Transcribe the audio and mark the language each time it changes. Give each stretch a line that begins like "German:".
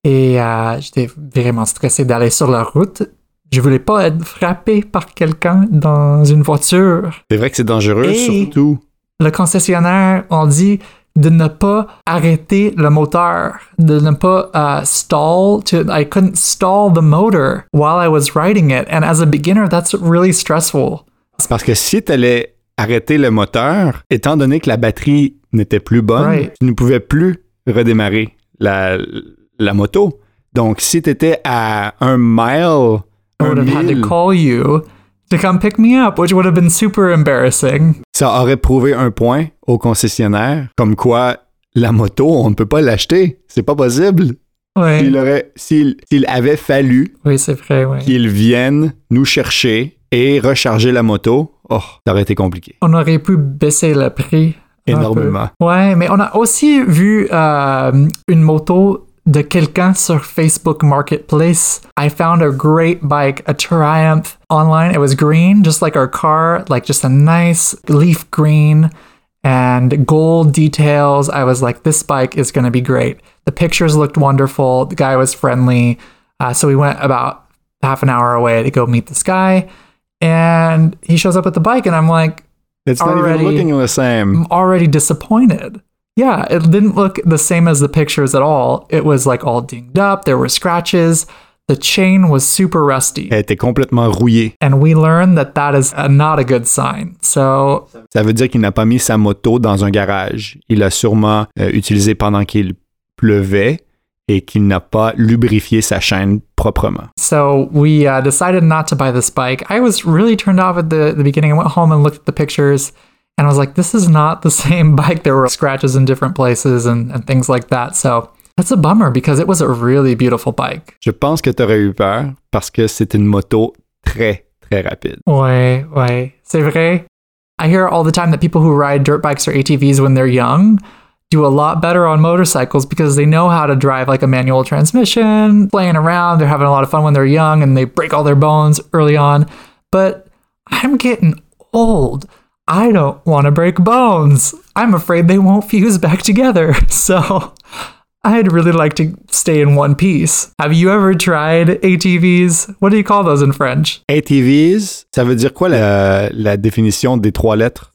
French: Et j'étais vraiment stressé d'aller sur la route. Je ne voulais pas être frappé par quelqu'un dans une voiture. C'est vrai que c'est dangereux, et surtout. Le concessionnaire, on dit de ne pas arrêter le moteur, de ne pas stall.
English: I couldn't stall the motor while I was riding it. And as a beginner, that's really stressful.
French: Parce que si tu allais arrêter le moteur, étant donné que la batterie n'était plus bonne,
English: right,
French: tu ne pouvais plus redémarrer la moto. Donc, si tu étais à un mile,
English: I would have had to call you to come pick me up, which would have been super embarrassing.
French: Ça aurait prouvé un point au concessionnaire, comme quoi la moto, on ne peut pas l'acheter. C'est pas possible. Oui. S'il avait fallu, oui, c'est vrai, oui, qu'il vienne nous chercher et recharger la moto, oh, ça aurait été compliqué. On aurait pu baisser le prix. Énormément. Ouais, mais on a aussi vu une moto de quelqu'un sur Facebook Marketplace.
English: I found a great bike, a Triumph, online. It was green, just like our car, like just a nice leaf green and gold details. I was like, this bike is going to be great. The pictures looked wonderful. The guy was friendly. So we went about half an hour away to go meet this guy. And he shows up with the bike and I'm like, it's not already even looking the same. I'm already disappointed. Yeah, it didn't look the same as the pictures at all. It was like all dinged up. There were scratches. The chain was super rusty.
French: Elle était complètement rouillée.
English: And we learned that that is not a good sign. So
French: ça veut dire qu'il n'a pas mis sa moto dans un garage. Il l'a sûrement utilisé pendant qu'il pleuvait et qu'il n'a pas lubrifié sa chaîne proprement.
English: So we decided not to buy this bike. I was really turned off at the beginning. I went home and looked at the pictures. And I was like, this is not the same bike. There were scratches in different places and things like that. So that's a bummer because it was a really beautiful bike.
French: Je pense que t'aurais eu peur parce que c'est une moto très, très rapide. Ouais, ouais. C'est vrai.
English: I hear all the time that people who ride dirt bikes or ATVs when they're young do a lot better on motorcycles because they know how to drive like a manual transmission, playing around. They're having a lot of fun when they're young and they break all their bones early on. But I'm getting old. I don't want to break bones. I'm afraid they won't fuse back together. So I'd really like to stay in one piece. Have you ever tried ATVs? What do you call those in French?
French: ATVs, ça veut dire quoi la définition des trois lettres?